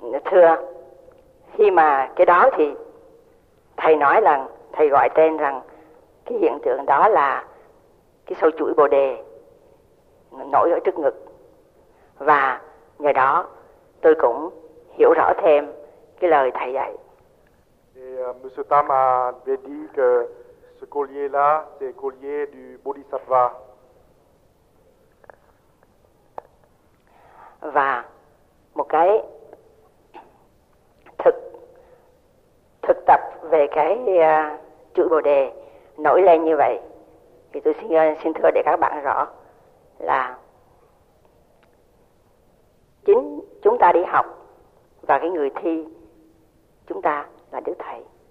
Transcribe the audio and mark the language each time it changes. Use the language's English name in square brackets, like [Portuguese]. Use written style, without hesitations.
[Vietnamese] Thưa, khi mà cái đó thì thầy nói là thầy gọi tên rằng cái hiện tượng đó là cái sâu chuỗi bồ đề nổi ở trước ngực, và nhờ đó tôi cũng hiểu rõ thêm cái lời thầy dạy. [French] Monsieur Tam a dit que ce collier là, c'est collier du Bodhisattva. [Vietnamese] Và một cái thực tập về cái chữ Bồ đề nổi lên như vậy thì tôi xin thưa để các bạn rõ là chính chúng ta đi học và cái người thi chúng ta là Đức Thầy.